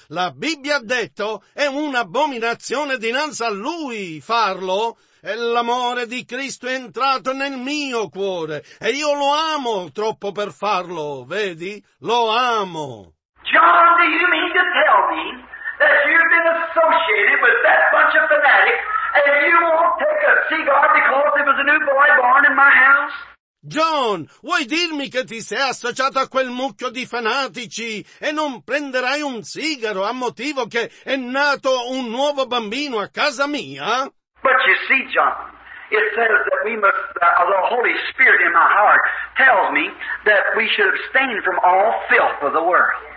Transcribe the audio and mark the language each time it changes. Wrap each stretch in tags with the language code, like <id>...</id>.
<it>La Bibbia ha detto, è un'abominazione dinanzi a Lui farlo. E l'amore di Cristo è entrato nel mio cuore. E io lo amo troppo per farlo, vedi? Lo amo.</it> <en>John, do you mean to tell me that you've been associated with that bunch of fanatics and you won't take a cigar because there was a new boy born in my house?</en> <it>John, vuoi dirmi che ti sei associato a quel mucchio di fanatici e non prenderai un sigaro a motivo che è nato un nuovo bambino a casa mia?</it> <en>But you see, John, it says that we must, the Holy Spirit in my heart tells me that we should abstain from all filth of the world.</en>